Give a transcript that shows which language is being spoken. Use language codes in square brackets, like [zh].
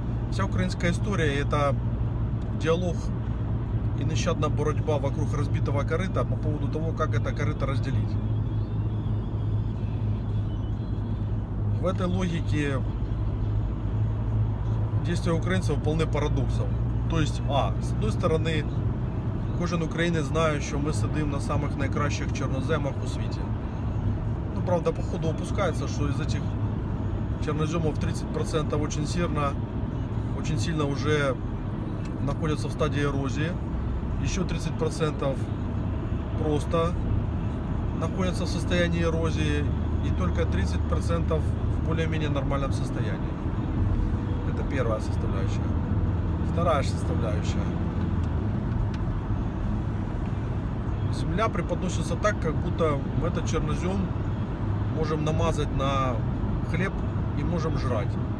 [ru] Вся украинская история — это диалог и нещадная борьба вокруг разбитого корыта по поводу того, как это корыто разделить. В этой логике действия украинцев полны парадоксов. [uk] То есть, с одной стороны, кожен українець знає, що ми сидимо на самих найкращих чорноземах у світі. Ну, правда, походу опускається, що із цих чорноземів 30% дуже сірно, дуже сильно вже знаходяться в стадії ерозії. Ще 30% просто знаходяться в стані ерозії. І тільки [ru] 30% более-менее нормальном состоянии. Это первая составляющая. Вторая составляющая. Земля преподносится так, как будто мы этот чернозем можем намазать на хлеб и можем жрать.